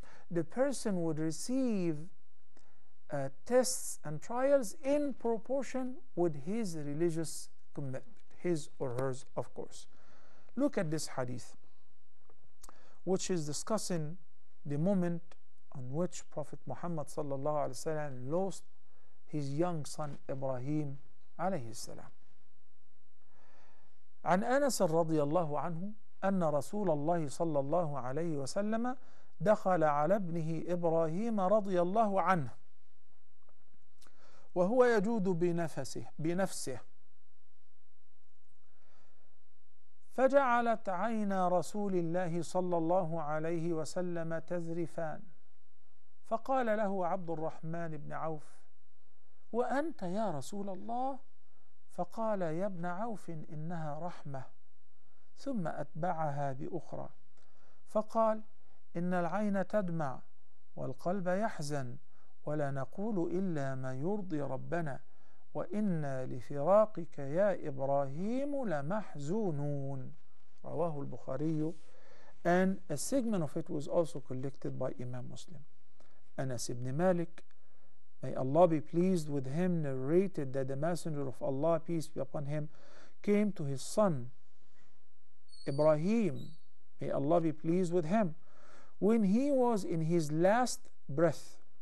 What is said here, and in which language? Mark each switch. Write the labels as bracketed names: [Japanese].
[English] The person would receive tests and trials in proportion with his religious commitment, his or hers, of course. Look at this hadith, which is discussing the moment on which Prophet Muhammad sallallahu alaihi wasallam lost his young son Ibrahim alayhi salam. [Arabic] عن أنس رضي الله عنه أن رسول الله صلى الله عليه وسلم دخل على ابنه إبراهيم رضي الله عنه وهو يجود بنفسه فجعلت عينا رسول الله صلى الله عليه وسلم تذرفان فقال له عبد الرحمن بن عوف وأنت يا رسول الله فقال يا ابن عوف إنها رحمة ثم أتبعها بأخرى فقال إن العين تدمع والقلب يحزن ولا نقول إلا ما يرضي ربنا وإنا لفراقك يا إبراهيم لمحزونون رواه البخاري. [English] And a segment of it was also collected by Imam Muslim. Anas ibn Malik, may Allah be pleased with him, narrated that the Messenger of Allah, peace be upon him, came to his son Ibrahim, may Allah be pleased with him, when he was in his last breath.